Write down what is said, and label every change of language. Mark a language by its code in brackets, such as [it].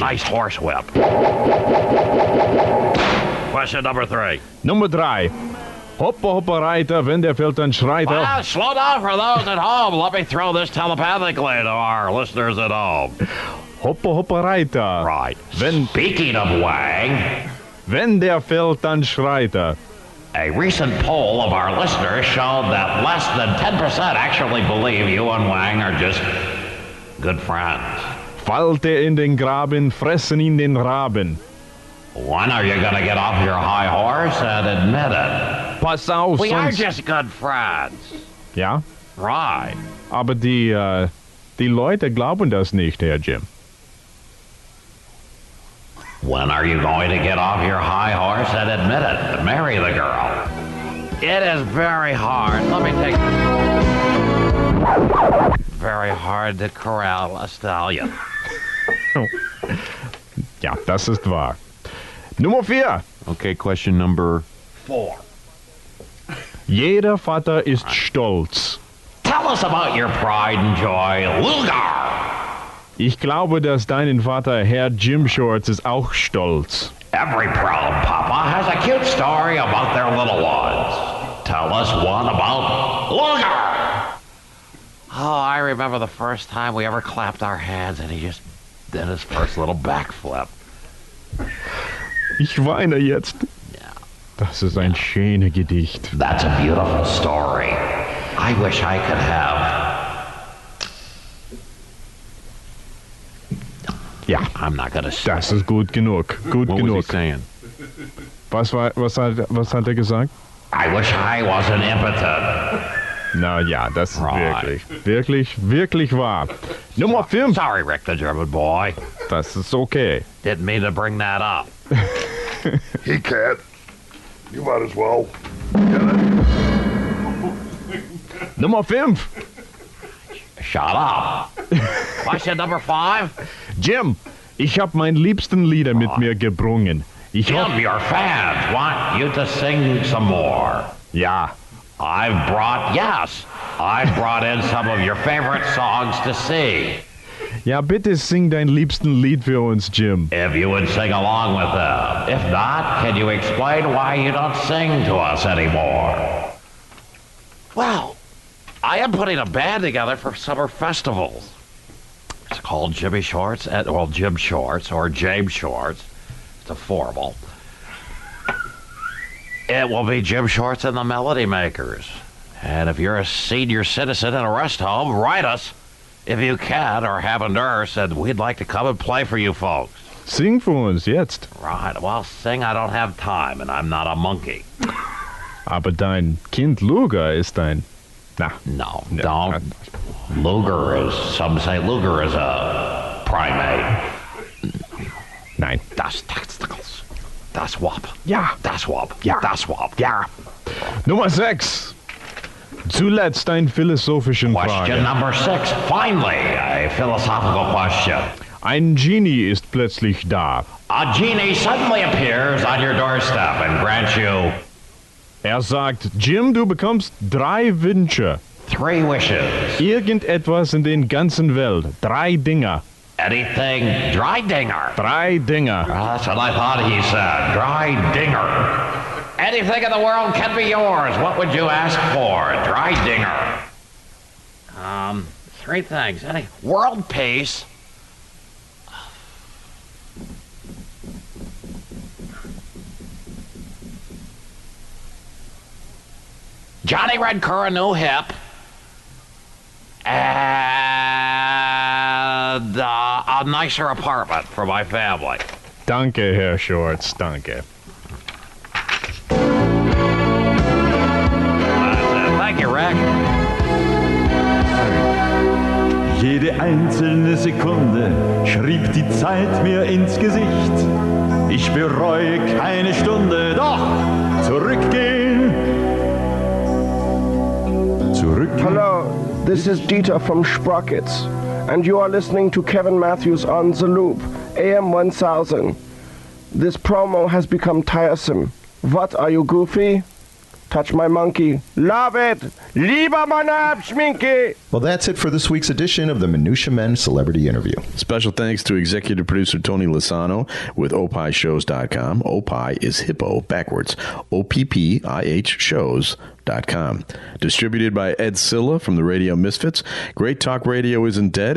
[en] Nice horsewhip. Question number three. Number three. [de] Hoppa, hoppa, reiter, wenn der Feldmann schreit. [en] Well, slow down for those at home. Let me throw this telepathically to our listeners at home. [de] Hoppa, hoppa, reiter. [en] Right. Speaking of Wang. [de] Wenn der Feldmann schreit. [en] A recent poll of our listeners showed that less than 10% actually believe you and Wang are just good friends. [de] Falte in den Graben, fressen in den Raben. [en] When are you going to get off your high horse and admit it? [de] Pass auf, [en] we are just good friends. Yeah? Right. [de] Aber die Leute glauben das nicht, Herr Jim. [en] When are you going to get off your high horse and admit it? Marry the girl. It is very hard. Let me take this. Very hard to corral a stallion. [de] Ja, das ist wahr. Nummer vier. [en] Okay, question number four. [de] Jeder Vater ist stolz. [en] Tell us about your pride and joy, Lugar. [de] Ich glaube, dass deinen Vater, Herr Jim Shorts, ist auch stolz. [en] Every proud papa has a cute story about their little ones. Tell us one about Lugar. Oh, I remember the first time we ever clapped our hands and he just did his first little backflip. [de] Ich weine jetzt. Das ist ein schönes Gedicht. [en] That's a beautiful story. I wish I could have. Yeah, I'm not gonna say. [de] Das ist gut genug. Gut [en] what [de] genug. [en] What was he saying? [de] Was hat er gesagt? [en] I wish I was an impotent. [de] Na ja, das ist [en] right. [de] wirklich wahr. Nummer 5. [en] Sorry, Rick, the German boy. [de] Das ist okay. [en] Didn't mean to bring that up. He can't. You might as well. Number 5. Shut up. Question number 5. [de] Jim, ich hab mein liebsten Lieder mit mir gebrungen. [en] Jim, your fans want you to sing some more. Yeah. I've brought in some of your favorite songs to sing. Ja, bitte sing dein liebsten Lied für uns, Jim. If you would sing along with them. If not, can you explain why you don't sing to us anymore? Well, I am putting a band together for summer festivals. It's called Jimmy Shorts, Jim Shorts, or James Shorts. It's a formal. It will be Jim Shorts and the Melody Makers. And if you're a senior citizen in a rest home, write us. If you can or have a nurse, and we'd like to come and play for you folks. Sing for [de] uns jetzt. [en] Right. Well, sing, I don't have time, and I'm not a monkey. [de] Aber dein Kind Luger ist dein... [en] Nah. No, don't. Luger is... Some say Luger is a primate. [de] Nein. Das Testicles. Das Wop. [en] Yeah. [de] Das Wop. [en] Yeah. [de] Das Wop. [en] Yeah. [de] Nummer 6. Zuletzt ein philosophischen [en] question Question number 6. Finally, a philosophical question. [de] Ein Genie ist plötzlich da. [en] A genie suddenly appears on your doorstep and grants you... [de] Er sagt, Jim, du bekommst 3 Wünsche. [en] 3 wishes. [de] Irgendetwas in den ganzen Welt. 3 Dinger. [en] Anything? Dry Dinger. [de] 3 Dinger. [en] That's what I thought he said. Dry Dinger. Anything in the world can be yours. What would you ask for? Dry Dinger. great things. Any world peace? Johnny Redcar, a new hip. And a nicer apartment for my family. [de] Danke, Herr Schwartz. Danke. [en] Thank you, Rick. [de] Jede einzelne Sekunde schrieb die Zeit mir ins Gesicht. Ich bereue keine Stunde, doch zurückgehen. Zurückgehen. [en] Hallo, this is Dieter from Sprockets. And you are listening to Kevin Matthews on The Loop, AM 1000. This promo has become tiresome. What are you, Goofy? Touch my monkey. Love it! [de] Lieber mein Abschminke! [en] Well, that's it for this week's edition of the Minutia Men Celebrity Interview. Special thanks to executive producer Tony Lozano with opishows.com. Opie is hippo backwards. O-P-P-I-H shows.com. Distributed by Ed Silla from the Radio Misfits. Great talk radio isn't dead.